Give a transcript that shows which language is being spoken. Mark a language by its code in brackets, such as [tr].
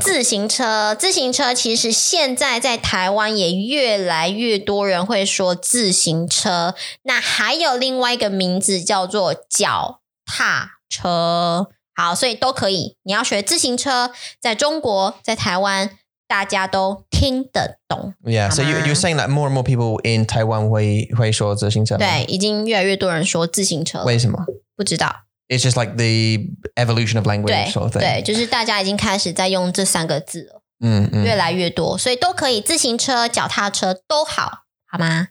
[zh] 自行车其实现在在台湾也越来越多人会说自行车 那还有另外一个名字叫做脚踏车 好,所以都可以 你要学自行车 在中国,在台湾 大家都听得懂, [en] yeah, so you're saying that more and more people in Taiwan [zh] 会说自行车对,已经越来越多人说自行车为什么? 不知道 [en] It's just like the evolution of language 对, sort of thing [zh] 对,就是大家已经开始在用这三个字了 越来越多 所以都可以,自行车,脚踏车都好 好吗?